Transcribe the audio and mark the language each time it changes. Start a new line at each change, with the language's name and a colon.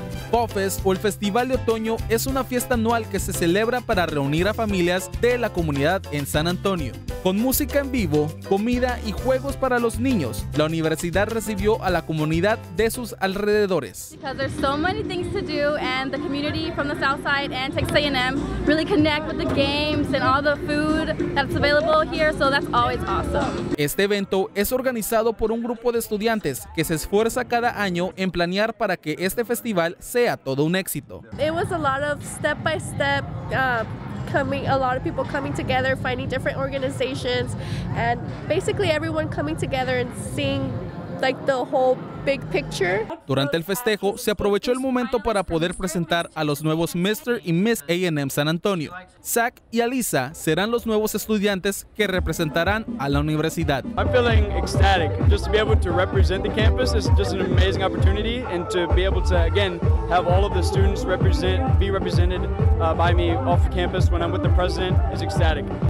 Spanish: Fall Fest, o el Festival de Otoño, es una fiesta anual que se celebra para reunir a familias de la comunidad en San Antonio. Con música en vivo, comida y juegos para los niños, la universidad recibió a la comunidad de sus alrededores.
English: Because there's so many things to do and the community from the Southside and Texas A&M really connect with the games and all the food that's available here, so that's always awesome.
Spanish: Este evento es organizado por un grupo de estudiantes que se esfuerza cada año en planear para que este festival sea todo un éxito.
English: It was a lot of step by step coming, a lot of people coming together, finding different organizations, and basically everyone coming together and seeing like the whole big picture.
Spanish: Durante el festejo, se aprovechó el momento para poder presentar a los nuevos Mr. y Miss A&M San Antonio. Zach y Alisa serán los nuevos estudiantes que representarán a la universidad.
English: I'm feeling ecstatic. Just to be able to represent the campus is just an amazing opportunity, and to be able to, again, have all of the students represent, be represented by me off campus when I'm with the president is ecstatic.